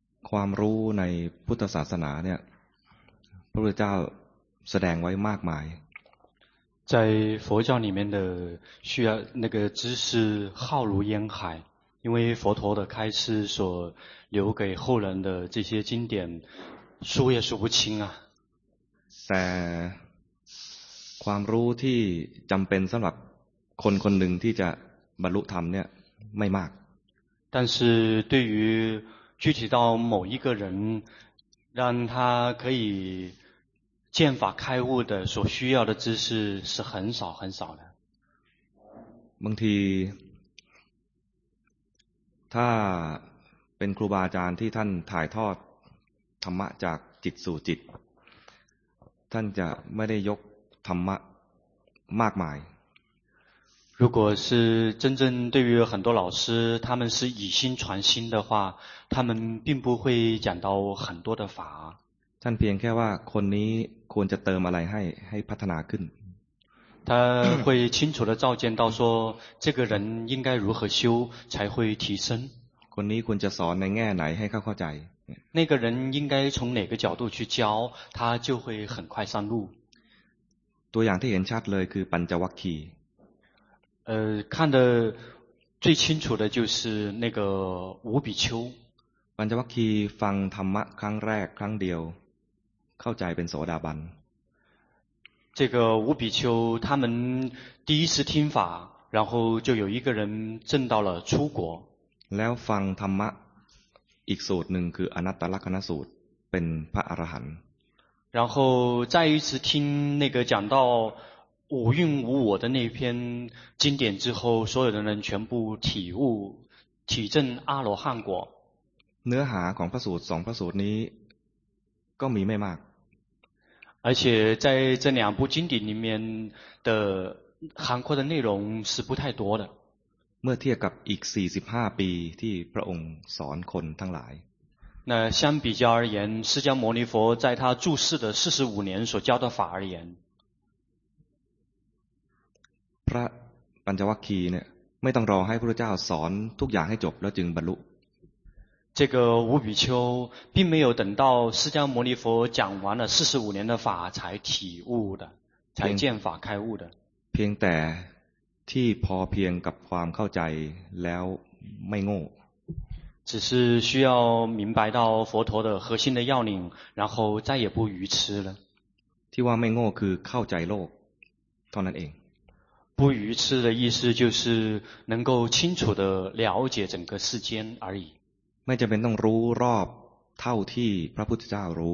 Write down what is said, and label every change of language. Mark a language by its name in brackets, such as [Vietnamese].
[Thai] ความรู้ในพุทธศาสนาเนี่ยพระพุทธเจ้าแสดงไว้มากมาย [Chinese] 在佛教里面的需要那个知识浩如烟海，因为佛陀的开示所留给后人的这些经典，数也数不清啊。 [Thai] แต่ความรู้ที่จำเป็นสำหรับคนคนหนึ่งที่จะบรรลุธรรมเนี่ยไม่มาก [Chinese] 但是对于具体到某一个人，让他可以见法开悟的所需要的知识是很少很少的。 [Thai] บางทีถ้าเป็นครูบาอาจารย์ที่ท่านถ่ายทอดธรรมะจากจิตสู่จิตท่านจะไม่ได้ยกธรรมะมากมาย [Chinese] 如果是真正对于很多老师他们是以心传心的话他们并不会讲到很多的法 [Thai] ท่านเพียงแค่ว่าคนนี้ควรจะเติมอะไรให้พัฒนาขึ้น [Chinese] 他会清楚的照见到说这个人应该如何修才会提升 [Thai] คนนี้ควรจะสอนในแง่ไหนให้เข้าใจ [Chinese] 那个人应该从哪个角度去教他就会很快上路 [Thai] ตัวอย่างที่เห็นชัดเลยคือปัญจวัคคีย์ [Chinese] 看得最清楚的就是那个五比丘 [Thai] ปัญจวัคคีย์ฟังธรรมะครั้งแรกครั้งเดียวเข้าใจเป็นโสดาบัน [Chinese] 这个五比丘他们第一次听法然后就有一个人证到了出果 [Thai] แล้วฟังธรรมะอีกสูตรหนึ่งคืออนัตตลักขณสูตรเป็นพระอรหันต์ [Chinese] 然后再一次听那个讲到五蕴无我的那篇经典之后所有的人全部体悟体证阿罗汉果 [Thai] เนื้อหาของพระสูตรสองพระสูตรนี้ก็มีไม่มาก [Chinese] 而且在这两部经典里面的涵括的内容是不太多的 [Thai] เมื่อเทียบกับอีก45ปีที่พระองค์สอนคนทั้งหลาย [Chinese] 那相比较而言释迦牟尼佛在他住世的45年所教的法而言 [Thai] พระปัญจวัคคีย์เนี่ยไม่ต้องรอให้พระเจ้าสอนทุกอย่างให้จบแล้วจึงบรรลุ [Chinese] 这个五比丘并没有等到释迦牟尼佛讲完了45年的法才体悟的才见法开悟的 [Thai] เพียงแต่ที่พอเพียงกับความเข้าใจแล้วไม่โง่ [Chinese] 只是需要明白到佛陀的核心的要领然后再也不愚痴了 [Thai] ที่ว่าไม่โง่คือเข้าใจโลกเท่านั้นเอง [Chinese] 不愚痴的意思就是能够清楚的了解整个世间而已 [Thai] ไม่จำเป็นต้องรู้รอบเท่าที่พระพุทธเจ้ารู